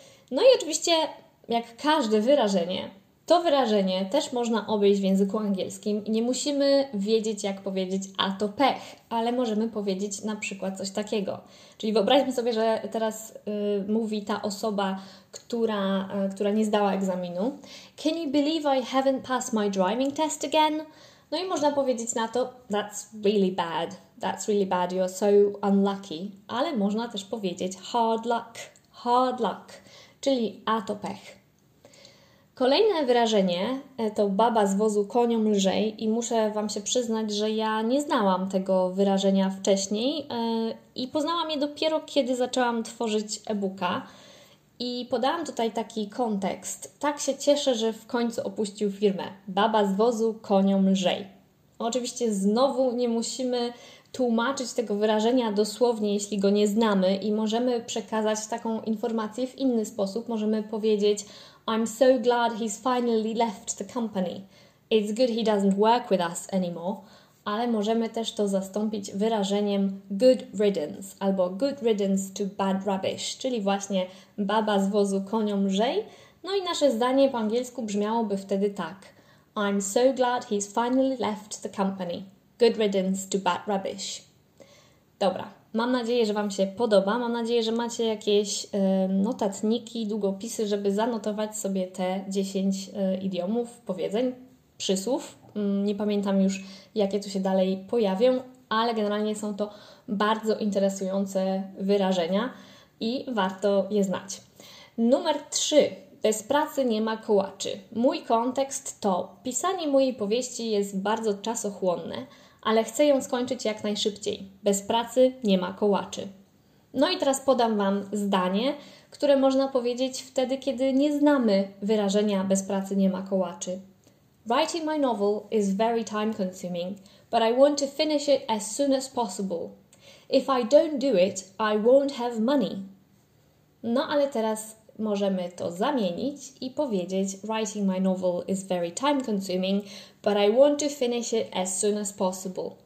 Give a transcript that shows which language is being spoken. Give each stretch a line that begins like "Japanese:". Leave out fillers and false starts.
Polish: No i oczywiście, jak każde wyrażenie, to wyrażenie też można obejść w języku angielskim i nie musimy wiedzieć, jak powiedzieć a to pech, ale możemy powiedzieć na przykład coś takiego. Czyli wyobraźmy sobie, że teraz mówi ta osoba, która nie zdała egzaminu.
English: Can you believe I haven't passed my driving test again?
Polish: No i można powiedzieć na to
English: that's really bad, you're so unlucky.
Polish: Ale można też powiedzieć
English: hard luck,
Polish: czyli a to pech. Kolejne wyrażenie to baba z wozu koniom lżej i muszę Wam się przyznać, że ja nie znałam tego wyrażenia wcześniej i poznałam je dopiero, kiedy zaczęłam tworzyć e-booka. I podałam tutaj taki kontekst. Tak się cieszę, że w końcu opuścił firmę. Baba z wozu koniom lżej. Oczywiście znowu nie musimy tłumaczyć tego wyrażenia dosłownie, jeśli go nie znamy i możemy przekazać taką informację w inny sposób. Możemy powiedzieć
English: I'm so glad he's finally left the company. It's good he doesn't work with us anymore.
Polish: Ale możemy też to zastąpić wyrażeniem
English: good riddance
Polish: albo
English: good riddance to bad rubbish,
Polish: czyli właśnie baba z wozu koniom lżej. No i nasze zdanie po angielsku brzmiałoby wtedy tak.
English: I'm so glad he's finally left the company. Good riddance to bad rubbish.
Polish: Dobra, mam nadzieję, że Wam się podoba. Mam nadzieję, że macie jakieś notatniki, długopisy, żeby zanotować sobie te 10 idiomów, powiedzeń, przysłów. Nie pamiętam już, jakie tu się dalej pojawią, ale generalnie są to bardzo interesujące wyrażenia i warto je znać. Numer 3. Bez pracy nie ma kołaczy. Mój kontekst to pisanie mojej powieści jest bardzo czasochłonne, ale chcę ją skończyć jak najszybciej. Bez pracy nie ma kołaczy. No i teraz podam Wam zdanie, które można powiedzieć wtedy, kiedy nie znamy wyrażenia bez pracy nie ma kołaczy.
English: Writing my novel is very time consuming, but I want to finish it as soon as possible. If I don't do it, I won't have money.
Polish: No ale teraz możemy to zamienić i powiedzieć:
English: Writing my novel is very time consuming, but I want to finish it as soon as possible.